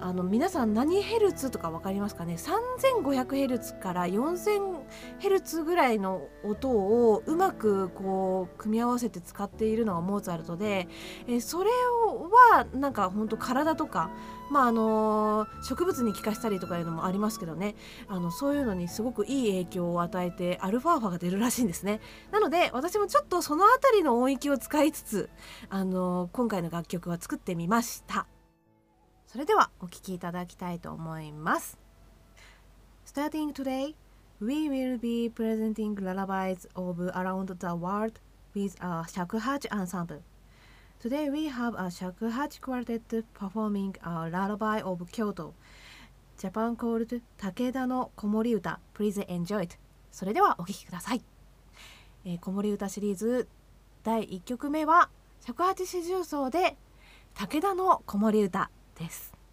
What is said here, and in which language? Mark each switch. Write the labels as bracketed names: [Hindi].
[Japanese] 皆さん何ヘルツとか分かりますかね、3500Hz から4000Hz ぐらいの音をうまくこう組み合わせて使っているのがモーツァルトで、それはなんか本当体とか、まあ植物に効かしたりとかいうのもありますけどね、そういうのにすごくいい影響を与えてアルファーファが出るらしいんですね。なので私もちょっとそのあたりの音域を使いつつ、今回の楽曲は作ってみました。それではお聴きいただきたいと思います。 [English] Starting today, we will be presenting lullabies of around the world with a shakuhachi ensemble. Today we have a shakuhachi quartet performing a lullaby of Kyoto, Japan called Takeda no Komori Uta. Please enjoy it. [Japanese] それではお聴きください。Komori Uta シリーズ第1曲目は尺八四重奏で武田の子守歌です。